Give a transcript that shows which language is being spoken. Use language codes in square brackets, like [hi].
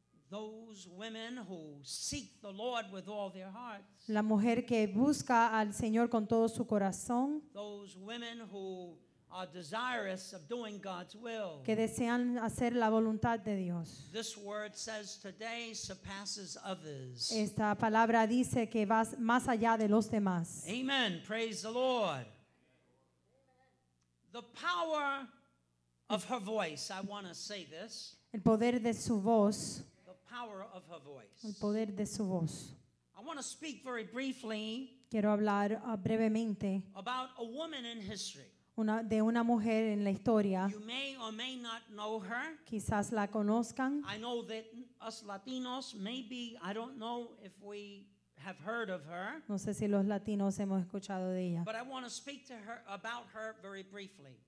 [en] Those women who seek the Lord with all their hearts. [es] La mujer que busca al Señor con todo su corazón. [en] Those women who are desirous of doing God's will. [es] Que desean hacer la voluntad de Dios. [en] This word says today surpasses others. [es] Esta palabra dice que va más allá de los demás. [en] Amen. Praise the Lord. The power of her voice. I want to say this. [es] El poder de su voz. [en] Power of her voice. [es] El poder de su voz. [en] I want to speak very briefly. [es] Quiero hablar brevemente [en] about a woman in history. [es] De una mujer en la historia. [en] You may or may not know her. [es] Quizás la conozcan. [en] I know that us Latinos maybe, I don't know if we have heard of her. [es] No sé si los latinos hemos escuchado de ella. [en] But I want to speak to her about her very briefly.